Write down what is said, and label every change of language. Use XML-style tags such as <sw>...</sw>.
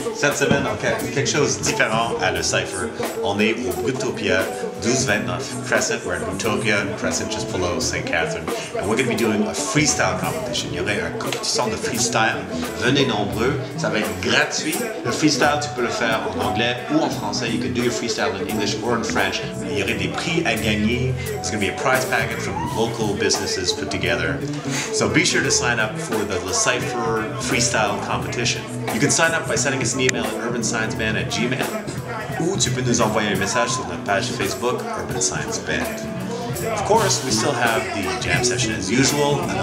<fr>Cette semaine, on a quelque chose de différent à Le Cypher. On est au Boutopia 1229 Crescent.</fr> <en>We're in Boutopia, Crescent just below St. Catherine. And we're going to be doing a freestyle competition.</en> <fr>Il y aurait un concours de freestyle. Venez nombreux. Ça va être gratuit. Le freestyle, tu peux le faire en anglais ou en français.</fr> <en>You can do your freestyle in English or in French.</en> <fr>Il y aurait des prix à gagner.</fr> <en>It's going to be a prize packet from local businesses put together. So be sure to sign up for the Le Cypher freestyle competition. You can sign up by sending us an email at urbansciencemen@gmail.com.</en> <fr>Ou tu peux nous envoyer un message sur notre page Facebook, Urban Science Band.</fr> <en>Of course, we still have the jam session as usual.</en>